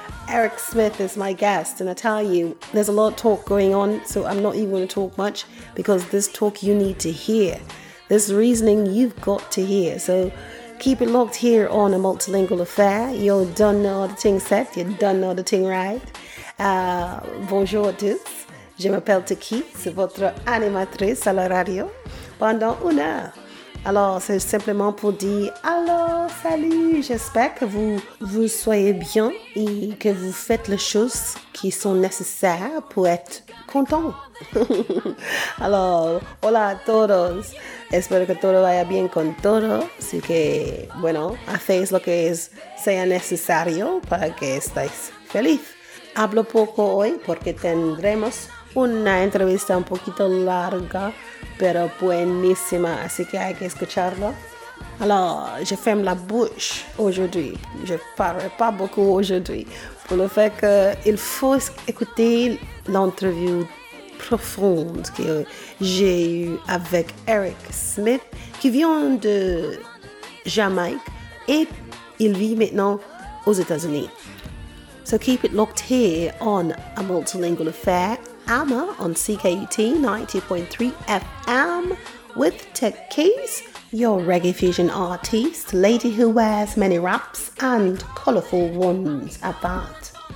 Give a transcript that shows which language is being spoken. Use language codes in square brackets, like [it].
[en] Eric Smith is my guest, and I tell you, there's a lot of talk going on, so I'm not even going to talk much, because this talk you need to hear, this reasoning you've got to hear. So keep it locked here on A Multilingual Affair. You're done now the thing set, you're done now the thing right. [fr] Bonjour à tous, je m'appelle Tiki, c'est votre animatrice à la radio pendant une heure. Alors, c'est simplement pour dire alors, salut, j'espère que vous soyez bien et que vous faites les choses qui sont nécessaires pour être content. [es] Alors, hola a todos, espero que todo vaya bien con todo, así que, bueno, hacéis lo que sea necesario para que estéis feliz. Hablo poco hoy porque tendremos una entrevista un poquito larga, pero buenísima, así que hay que escucharlo. [fr] Alors, je ferme la bouche aujourd'hui. Je parle pas beaucoup aujourd'hui. Pour le fait qu'il faut écouter l'interview profonde que j'ai eue avec Eric Smith, qui vient de Jamaïque et il vit maintenant aux États-Unis. [en] So keep it locked here on A Multilingual Affair. AMA on CKUT 90.3 FM with Tech Keys, your reggae fusion artist, lady who wears many wraps and colourful ones at that.